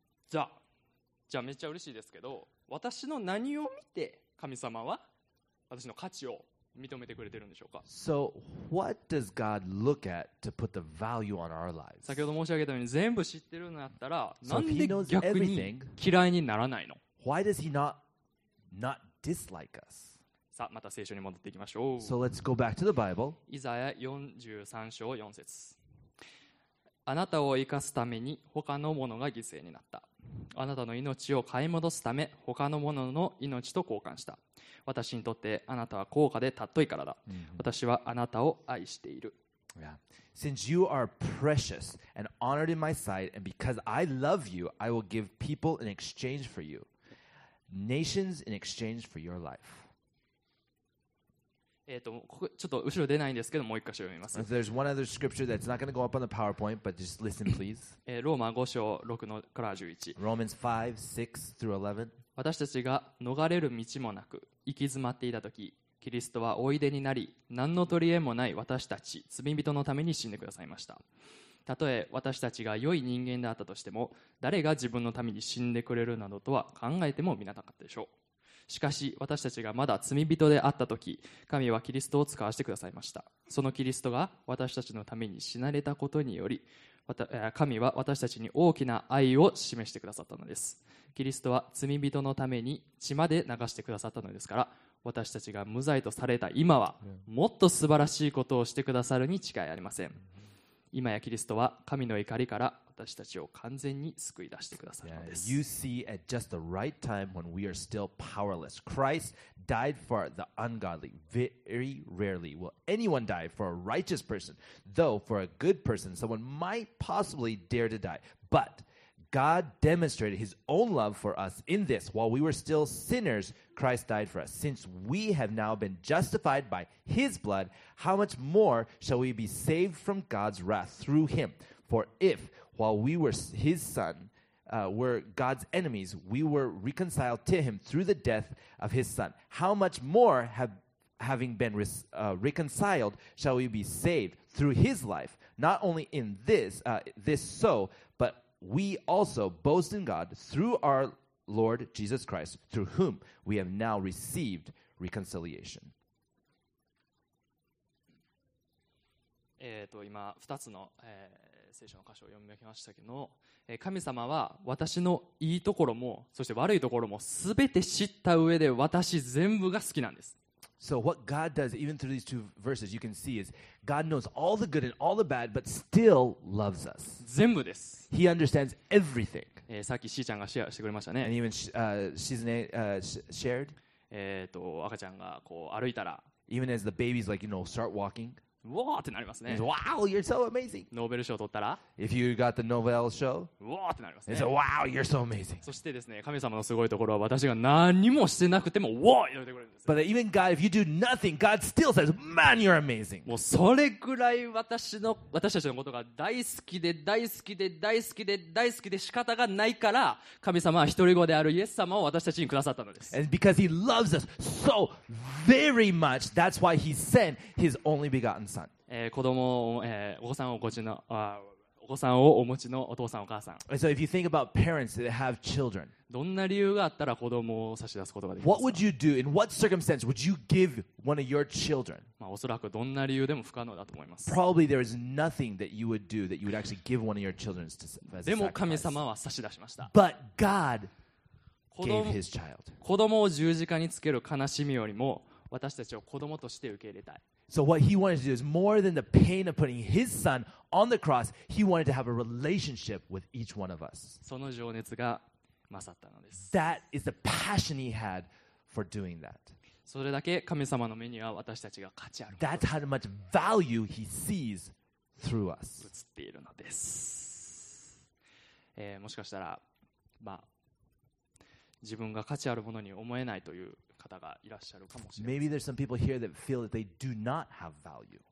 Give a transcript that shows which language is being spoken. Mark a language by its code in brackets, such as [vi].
[ja] じゃあめっちゃ嬉しいですけど私の何を見て神様は私の価値を認めてくれてるんでしょうか。 [en] So what does God look at to put the value on our lives? [ja] 先ほど申し上げたように全部知ってるんだったらなんで逆に嫌いにならないの。 [en] Why does he not dislike us? [ja] さあまた聖書に戻っていきましょう。 [en] So let's go back to the Bible. [ja] イザヤ43章4節。あなたを生かすために他のものが犠牲になった。あなたの命を買い戻すため他のものの命と交換した。私にとってあなたは高価でたっといからだ。私はあなたを愛している。 [en] Yeah. Since you are precious and honored in my sight, and because I love you, I will give people in exchange for you. Nations in exchange for your life. [ja] ここちょっと後ろ出ないんですけど、もう一箇所読みます。 [en] There's one other scripture that's not going to go up on the PowerPoint, but just listen, please. [ja] ローマ5章6のから11。 [en] Romans 5, 6 through 11. [ja] 私たちが逃れる道もなく行き詰まっていたとき、キリストはおいでになり、何の取り柄もない私たち罪人のために死んでくださいました。たとえ私たちが良い人間であったとしても、誰が自分のために死んでくれるなどとは考えてもみなかったでしょう。しかし私たちがまだ罪人であったとき、神はキリストを使わせてくださいました。そのキリストが私たちのために死なれたことにより、神は私たちに大きな愛を示してくださったのです。キリストは罪人のために血まで流してくださったのですから、私たちが無罪とされた今はもっと素晴らしいことをしてくださるに違いありません。今やキリストは神の怒りから私たちを完全に救い出してくださるのです。 [en] You see at just the right time when we are still powerless, Christ died for the ungodly. Very rarely will anyone die for a righteous person, though for a good person someone might possibly dare to die. But God demonstrated His own love for us in this. While we were still sinners, Christ died for us. Since we have now been justified by His blood, how much more shall we be saved from God's wrath through Him? For if, while we were His son, were God's enemies, we were reconciled to Him through the death of His son, how much more, having been reconciled, shall we be saved through His life? Not only in this, but we also boast in God through our Lord Jesus Christ, through whom we have now received reconciliation. [ja] 今2つの、聖書の箇所を読み上げましたけど、神様は私のいいところもそして悪いところも全て知った上で私全部が好きなんです。 [en] So what God does, even through these two verses, you can see is God knows all the good and all the bad, but still loves us. [ja] 全部です。 [en] He understands everything. [ja] さっきしーちゃんがシェアしてくれましたね。 [en] And even Shizune shared. [ja] 赤ちゃんがこう歩いたら。 [en] Even as the babies like, you know, start walking. [ja] わーってなりますね。 [en] Wow, you're so amazing. [ja] ノーベル賞取ったら。 [en] If you got the Nobel show. [ja] わーってなりますね。 [en] Wow, you're so amazing. [ja] そしてですね、神様のすごいところは私が何もしてなくてもわーって言ってくれるんです。 [en] But even God, if you do nothing, God still says, man, you're amazing. [ja] もうそれぐらい私たちのことが大好きで大好きで大好きで大好きで仕方がないから、神様は一人子であるイエス様を私たちにくださったのです。 [en] And because He loves us so very much, that's why He sent His only begotten Son. [ja] 子供を、お子さんをお子さんをお持ちのお父さんお母さん。 [en] So if you think about parents that have children. [ja] どんな理由があったら子供を差し出すことができますか? [en] What would you do? In what circumstance would you give one of your children? [ja] まあおそらくどんな理由でも不可能だと思います。 [en] Probably there is nothing that you would do that you would actually give one of your children as a sacrifice. [ja] でも神様は差し出しました。 [en] But God gave His child. [ja] 子供を十字架につける悲しみよりも私たちを子供として受け入れたい。 [en] So what He wanted to do is more than the pain of putting His son on the cross, He wanted to have a relationship with each one of us. [ja] その情熱がったのです。 [en] That is the passion He had for doing that. [ja] それだけ神様の目には私たちが価値ある。 [en] That's how much value He sees through us. [ja] 映っているのです。もしかしたら、まあ、自分が価値あるものに思えないという方がいらっしゃるかもしれません。 [en] Maybe there's some people here that feel that they do not have value.